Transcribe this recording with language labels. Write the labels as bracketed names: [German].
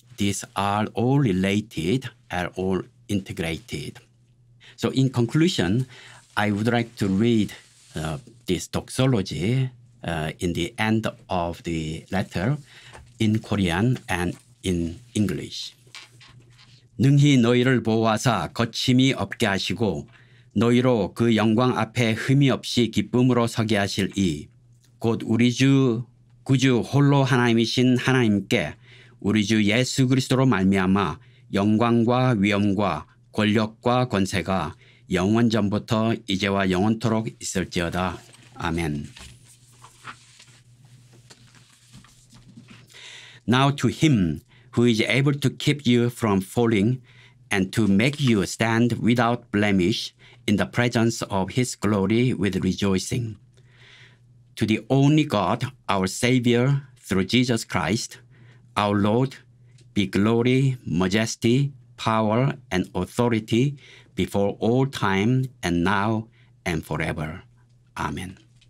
[English] These are all related and all integrated. So in conclusion, I would like to read this doxology in the end of the letter in Korean and in English. [Korean] 능히 너희를 보호하사 거침이 없게 하시고 너희로 그 영광 앞에 흠이 없이 기쁨으로 서게 하실 이 곧 우리 주 구주 홀로 하나님이신 하나님께 우리 주 예수 그리스도로 말미암아 영광과 위엄과 권력과 권세가 영원전부터 이제와 영원토록 있을지어다. 아멘. [English] Now to him who is able to keep you from falling and to make you stand without blemish in the presence of his glory with rejoicing. To the only God, our Savior, through Jesus Christ, our Lord, be glory, majesty, power, and authority before all time and now and forever. Amen.